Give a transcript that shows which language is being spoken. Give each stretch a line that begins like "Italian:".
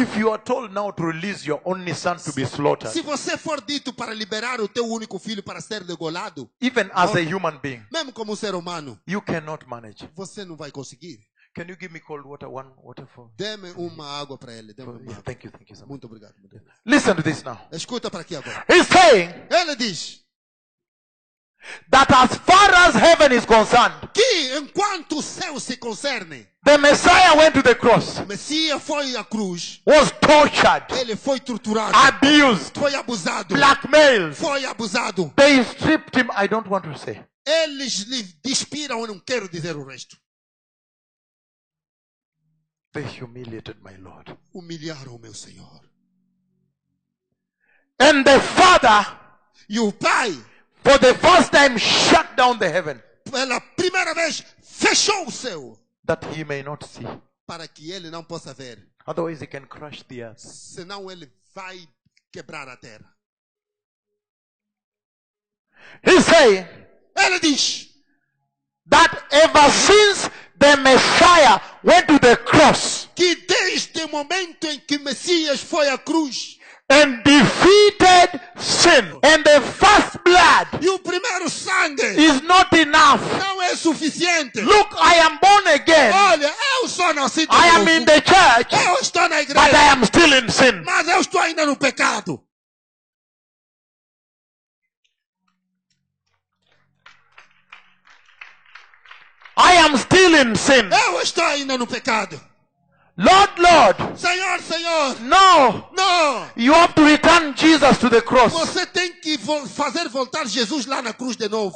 English: If you are told now to release your only son to be slaughtered.
Portuguese: Se você for dito para liberar o teu único filho para ser degolado.
English: Even as a human being.
Portuguese: Mesmo como ser humano.
English: You cannot manage.
Portuguese: Você não vai conseguir.
English: Can you give me cold water, one water for?
Portuguese: Dê-me uma água para ele. Dê-me uma.
English: Yeah, thank you, sir.
Portuguese: Muito obrigado.
English: Listen to this now.
Portuguese: Escuta para aqui agora.
English: He's saying.
Portuguese: Ele diz.
English: That as far as heaven is concerned.
Portuguese: Que enquanto o céu se concerne.
English: The Messiah went to the cross.
Portuguese: O Messias foi à cruz.
English: Was tortured.
Portuguese: Ele foi torturado.
English: Abused.
Portuguese: Foi abusado.
English: Blackmailed.
Portuguese: Foi abusado.
English: They stripped him. I don't want to say.
Portuguese: eles lhe despiram, eu não quero dizer o resto.
English: They humiliated my Lord.
Portuguese: Humilharam o meu Senhor.
English: And the Father,
Portuguese: e o Pai,
English: for the first time shut down the heaven.
Portuguese: Pela primeira vez fechou o céu.
English: That he may not see.
Portuguese: Para que ele não possa ver.
English: Otherwise he can crush the earth.
Portuguese: Senão ele vai quebrar a terra.
English: He say,
Portuguese: ele diz,
English: that ever since the Messiah went to the cross,
Portuguese: que desde o momento em que Messias foi à cruz,
English: and defeated sin, and the first blood,
Portuguese: e o primeiro sangue,
English: is not enough.
Portuguese: Não é suficiente.
English: Look, I am born again.
Portuguese: Olha, eu sou nascido de novo.
English: I am in the church.
Portuguese: Eu estou na igreja.
English: But I am still in sin.
Portuguese: Mas eu estou ainda no pecado.
English: I am still in sin.
Portuguese: Eu estou ainda no pecado.
English: Lord, Lord.
Portuguese: Senhor, Senhor.
English: No. No. You have to return Jesus to the cross.
Portuguese: Você tem que fazer voltar Jesus lá na cruz de novo.